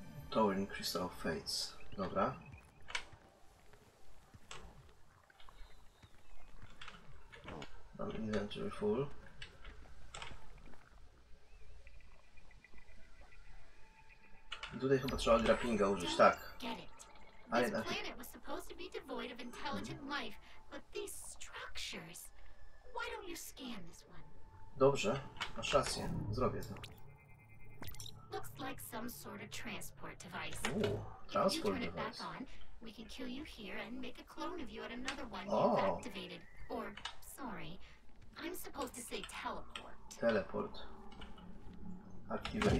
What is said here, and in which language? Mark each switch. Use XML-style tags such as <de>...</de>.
<en>Towering Crystal of Fates.</en> <pl>Dobra. Mam inventory full. I tutaj chyba trzeba grapplinga użyć, tak. Ale jednak...</pl> <en>planet was supposed to be devoid of intelligent life, but these structures. Why don't you scan this one?</en> <pl>Dobrze, masz rację, zrobię to.</pl> <en>Looks like some sort of transport device. Transport device. We could kill you here and make a clone of you at another one you've activated. Or, sorry, I'm supposed to say teleport. Teleport. Activate.</en>